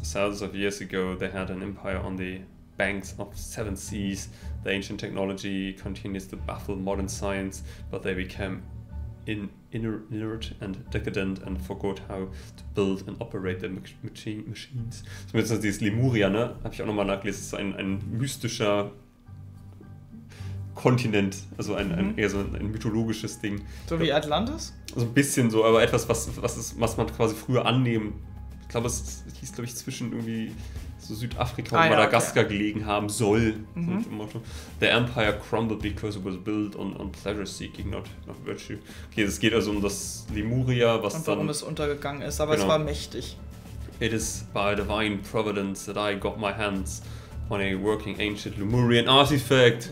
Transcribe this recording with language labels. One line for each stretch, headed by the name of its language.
English: Thousands of years ago, they had an empire on the banks of seven seas. The ancient technology continues to baffle modern science, but they became inert and decadent and forgot how to build and operate their machines.
German: Zumindest dieses Lemuria, ne? Hab ich auch nochmal nachgelesen. Das ist ein mystischer Kontinent, also ein eher so ein mythologisches Ding. So wie Atlantis? So ein bisschen so, aber etwas, was man quasi früher annehmen. Ich glaube, es hieß, glaube ich, zwischen irgendwie so Südafrika und Madagaskar gelegen haben soll. Mhm.
English: The Empire crumbled because it was built on pleasure seeking, not virtue.
German: Okay, es geht also um das Lemuria, was dann. Und warum es untergegangen ist, aber genau. Es war mächtig.
English: It is by divine providence that I got my hands on a working ancient Lemurian artifact.